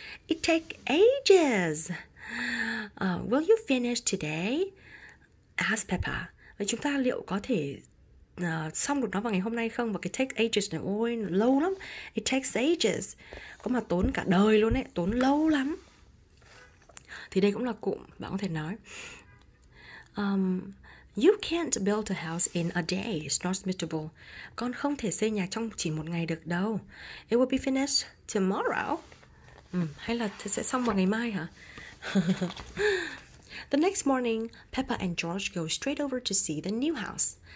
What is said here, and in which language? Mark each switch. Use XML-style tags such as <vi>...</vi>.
<en>It takes ages. Will you finish today? Ask Peppa.</en> <vi>Vậy chúng ta liệu có thể xong được nó vào ngày hôm nay không? Và cái take ages này, ôi, lâu lắm.</vi> <en>It takes ages.</en> <vi>Có mà tốn cả đời luôn ấy, tốn lâu lắm. Thì đây cũng là cụm bạn có thể nói.</vi> <en>You can't build a house in a day, snorts Mr. Bull.</en> <vi>Con không thể xây nhà trong chỉ một ngày được đâu.</vi> <en>It will be finished tomorrow.</en> <vi>Hay là sẽ xong vào ngày mai hả?</vi> <en>The next morning, Peppa and George go straight over to see the new house.</en>